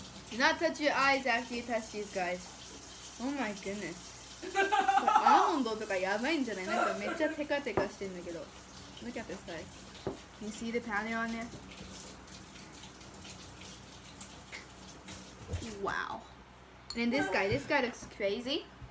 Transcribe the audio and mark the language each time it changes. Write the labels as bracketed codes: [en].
[en] Do not touch your eyes after you touch these guys. Oh my goodness. [ja] アーモンドとかやばいんじゃない？なんかめっちゃテカテカしてんだけど。 [en] Look at this guy. Can you see the panel on it? Wow. And this guy looks crazy.